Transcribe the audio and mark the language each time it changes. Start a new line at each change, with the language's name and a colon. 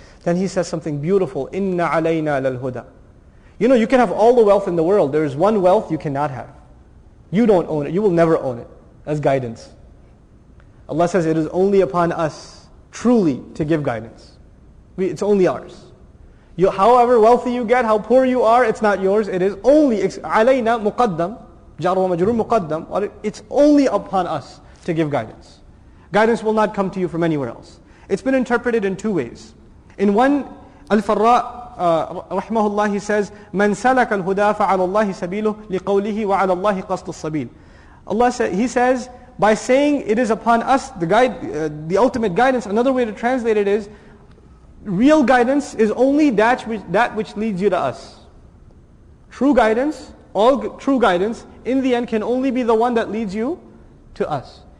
English: Then He says something beautiful.
Arabic: Inna alayna lalhuda.
English: You know, you can have all the wealth in the world. There is one wealth you cannot have. You don't own it. You will never own it as guidance. Allah says, it is only upon us truly to give guidance. It's only ours. You, however wealthy you get, how poor you are, it's not yours. It is only
Arabic: عَلَيْنَا مُقَدَّمْ جَارُ وَمَجْرُورٌ مُقَدَّمْ.
English: It's only upon us to give guidance. Guidance will not come to you from anywhere else. It's been interpreted in two ways. In one, Al-Farra, rahimahullah, he says,
Arabic: مَنْ سَلَكَ الْهُدَى فَعَلَى اللَّهِ سَبِيلُهُ لِقَوْلِهِ وَعَلَى اللَّهِ قَصْدُ السَّبِيلِ.
English: He says, by saying it is upon us, the ultimate guidance, another way to translate it is, real guidance is only that which leads you to us. True guidance, all true guidance, in the end can only be the one that leads you to us.